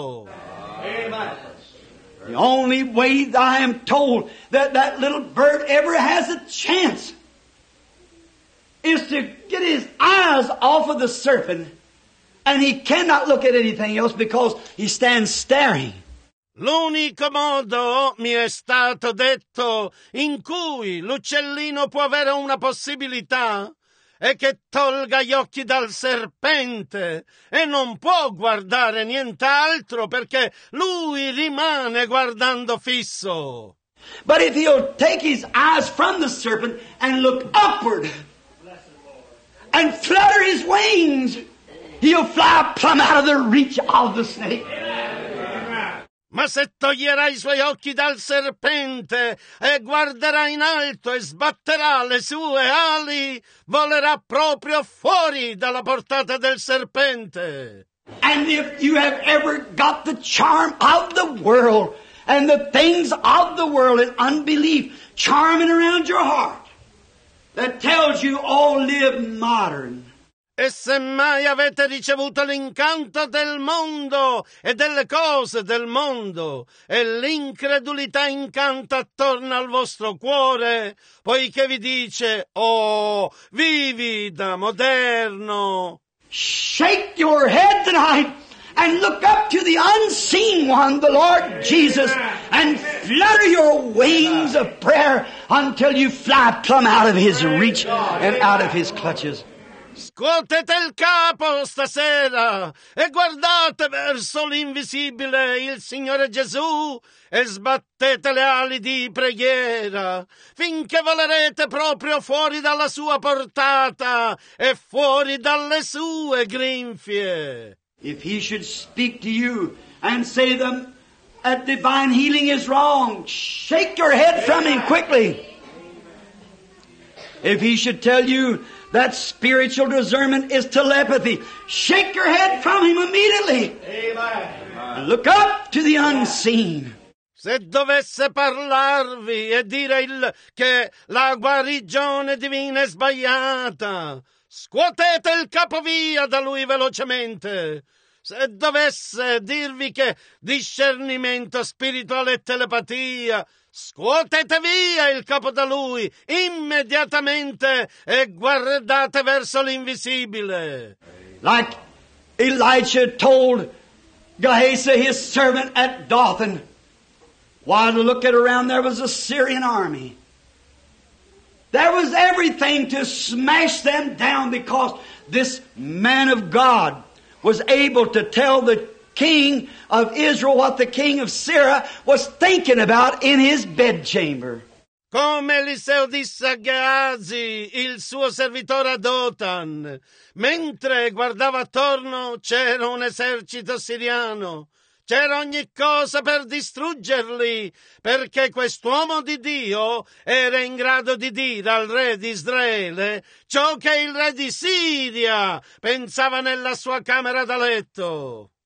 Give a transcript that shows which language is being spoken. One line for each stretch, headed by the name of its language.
English: Amen. The only way I am told that that little bird ever has a chance is to get his eyes off of the serpent, and he cannot look at anything else because he stands staring.
Italian: L'unico modo, mi è stato detto, in cui l'uccellino può avere una possibilità è che tolga gli occhi dal serpente e non può guardare nient'altro perché lui rimane guardando fisso.
English: But if he'll take his eyes from the serpent and look upward and flutter his wings, he'll fly plumb out of the reach of the snake.
Italian: Ma se toglierà i suoi occhi dal serpente e guarderà in alto e sbatterà le sue ali, volerà proprio fuori dalla portata del serpente.
English: And if you have ever got the charm of the world and the things of the world and unbelief charming around your heart that tells you all live modern.
Italian: E se mai avete ricevuto l'incanto del mondo e delle cose del mondo e l'incredulità incanta attorno al vostro cuore, poiché vi dice, oh, vivi da moderno.
English: Shake your head tonight and look up to the unseen one, the Lord Jesus, and flutter your wings of prayer until you fly plumb out of his reach and out of his clutches.
Italian: Scuotete il capo stasera e guardate verso l'invisibile, il Signore Gesù, e sbattete le ali di preghiera finché volerete proprio fuori dalla sua portata e fuori dalle sue grinfie.
English: If he should speak to you and say them that divine healing is wrong, shake your head from him quickly. If he should tell you that spiritual discernment is telepathy, shake your head from him immediately. Amen. And look up to the unseen.
Italian: Se dovesse parlarvi e dire che la guarigione divina è sbagliata, scuotete il capo via da lui velocemente. Se dovesse dirvi che discernimento spirituale e telepatia, scuotete via il capo da lui immediatamente e guardate verso l'invisibile.
English: Like Elijah told Gehazi, his servant at Dothan, while looking around, there was a Syrian army. There was everything to smash them down because this man of God was able to tell the king of Israel what the king of Syria was thinking about in his bedchamber.
Italian: Come Eliseo disse a Gehazi, il suo servitore a Dothan, mentre guardava attorno c'era un esercito siriano. C'era ogni cosa per distruggerli, perché quest'uomo di Dio era in grado di dire al re di Israele ciò che il re di Siria pensava nella sua camera da letto.